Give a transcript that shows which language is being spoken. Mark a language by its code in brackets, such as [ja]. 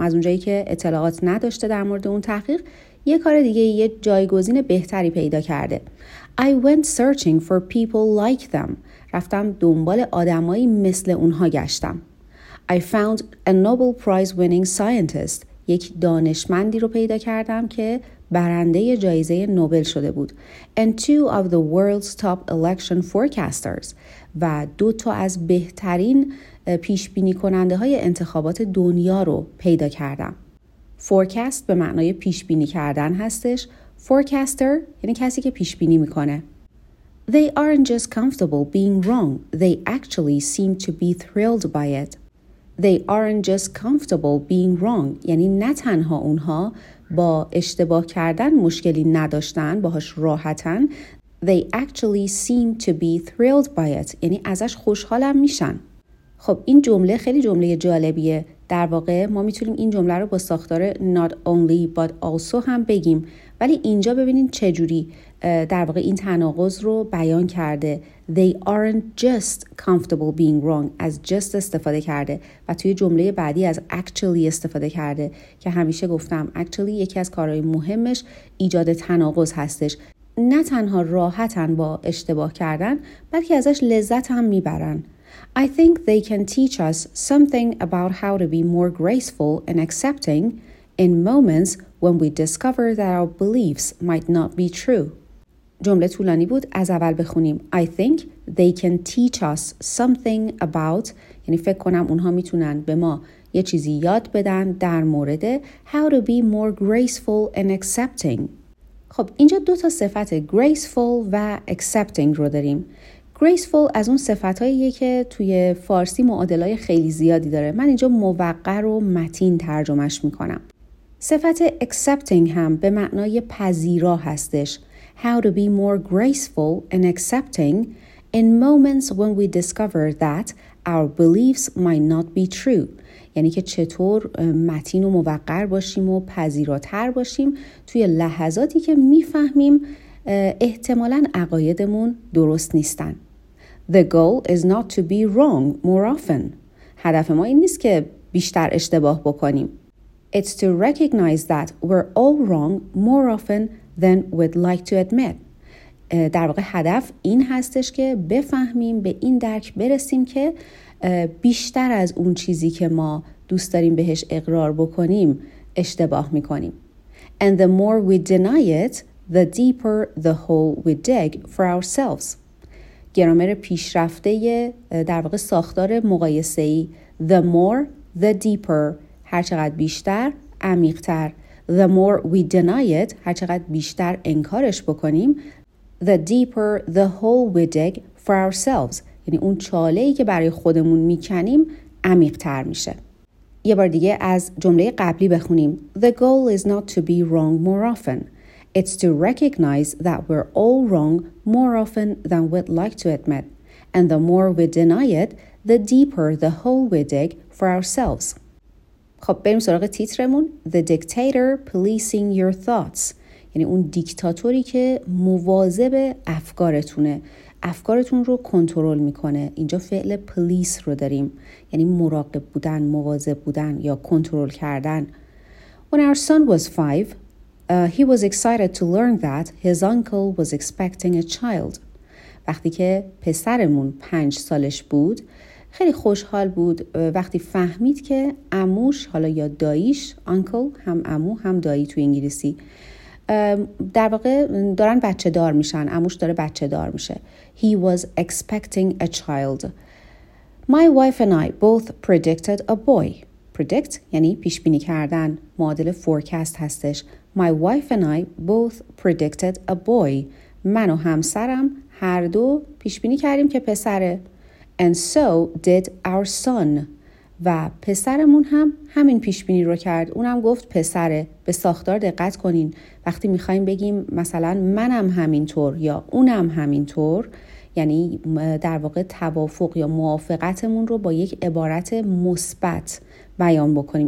[fa] از اونجایی که اطلاعات نداشته در مورد اون تحقیق، یه کار دیگه، یه جایگزین بهتری پیدا کرده. [en] I went searching for people like them. [fa] رفتم دنبال آدمایی مثل اونها گشتم. [en] I found a Nobel Prize winning scientist. [fa] یک دانشمندی رو پیدا کردم که برنده جایزه نوبل شده بود. [en] And two of the world's top election forecasters. [fa] و دو تا از بهترین پیش بینی کننده های انتخابات دنیا رو پیدا کردم. Forecast به معنای پیش بینی کردن هستش. Forecaster یعنی کسی که پیش بینی میکنه. [en] They aren't just comfortable being wrong. They actually seem to be thrilled by it. They aren't just comfortable being wrong. [fa] یعنی نه تنها اونها با اشتباه کردن مشکلی نداشتن، باهاش راحتن. [en] They actually seem to be thrilled by it. [fa] یعنی ازش خوشحالم میشن. خب این جمله خیلی جمله جالبیه. در واقع ما میتونیم این جمله رو با ساختار not only but also هم بگیم. ولی اینجا ببینین چجوری در واقع این تناقض رو بیان کرده. [en] They aren't just comfortable being wrong [fa] از just استفاده کرده و توی جمله بعدی از actually استفاده کرده که همیشه گفتم actually یکی از کارهای مهمش ایجاد تناقض هستش. نه تنها راحتن با اشتباه کردن بلکه ازش لذت هم میبرن. [en] I think they can teach us something about how to be more graceful and accepting in moments when we discover that our beliefs might not be true. [fa] جمله طولانی بود، از اول بخونیم. [en] I think they can teach us something about، [fa] یعنی فکر کنم اونها میتونن به ما یه چیزی یاد بدن در مورد [en] how to be more graceful and accepting. [fa] خب اینجا دو تا صفت graceful و accepting رو داریم. Graceful از اون صفتهاییه که توی فارسی معادلهای خیلی زیادی داره. من اینجا موقر و متین ترجمهش میکنم. صفت accepting هم به معنای پذیرا هستش. [en] How to be more graceful and accepting in moments when we discover that our beliefs might not be true. [fa] یعنی که چطور متین و موقر باشیم و پذیراتر باشیم توی لحظاتی که میفهمیم احتمالاً عقایدمون درست نیستن. [en] The goal is not to be wrong more often. [fa] هدف ما این نیست که بیشتر اشتباه بکنیم. [en] It's to recognize that we're all wrong more often than we'd like to admit. [fa] در واقع هدف این هستش که بفهمیم، به این درک برسیم که بیشتر از اون چیزی که ما دوست داریم بهش اقرار بکنیم اشتباه میکنیم. [en] And the more we deny it, the deeper the hole we dig for ourselves. [fa] گرامر پیشرفته در واقع ساختار مقایسه‌ای. [en] The more, the deeper. [fa] هرچقدر بیشتر، عمیق‌تر. [en] The more we deny it, [fa] هرچقدر بیشتر انکارش بکنیم. [en] The deeper the hole we dig for ourselves. [fa] یعنی اون چاله‌ای که برای خودمون میکنیم عمیق‌تر میشه. یه بار دیگه از جمله قبلی بخونیم. [en] The goal is not to be wrong more often. It's to recognize that we're all wrong more often than we'd like to admit. And the more we deny it, the deeper the hole we dig for ourselves. [fa] خب بریم سراغ تیترمون. [en] The dictator policing your thoughts. [fa] یعنی اون دیکتاتوری که مواظب افکارتونه. افکارتون رو کنترل میکنه. اینجا فعل پلیس رو داریم. یعنی مراقب بودن، مواظب بودن یا کنترل کردن. [en] When our son was 5, he was excited to learn that his uncle was expecting a child. [fa] وقتی که پسرمون 5 سالش بود، خیلی خوشحال بود وقتی فهمید که عموش، حالا یا داییش، uncle، هم عمو هم دایی تو انگلیسی، در واقع دارن بچه دار میشن، عموش داره بچه دار میشه. [en] He was expecting a child. My wife and I both predicted a boy. [fa] Predict یعنی پیشبینی کردن، معادل forecast هستش. [en] My wife and I both predicted a boy. [fa] من و همسرم هر دو پیشبینی کردیم که پسره. [en] And so did our son. [fa] و پسرمون هم همین پیشبینی رو کرد. اونم گفت پسره. به ساختار دقت کنین. وقتی میخواییم بگیم مثلا منم همینطور یا اونم همینطور، یعنی در واقع توافق یا موافقتمون رو با یک عبارت مثبت بیان بکنیم.